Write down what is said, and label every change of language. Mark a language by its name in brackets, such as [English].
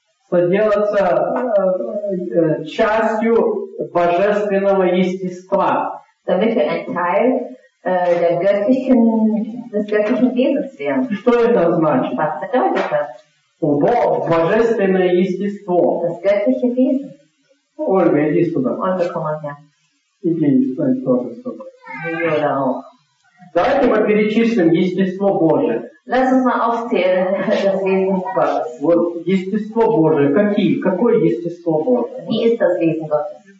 [Russian] поделаться частью божественного естества. [German] Damit wir ein Teil der göttlichen, des göttlichen Wesens werden. [Russian] Что это значит? [German] Was bedeutet das? [Russian] О, Бог, божественное естество. [German] Das göttliche Wesen. [Russian] Ольга, иди сюда. [German] Ольга, komm mal her. [Russian] Иди, не знаю, тоже сюда. Ее да, ох. Давайте мы перечислим естество Божие. [German] Lass uns mal aufzählen, das Wesen Gottes. [Russian] Вот, естество Божие. Какие? Какое естество Божие? [German] Wie ist das Wesen Gottes?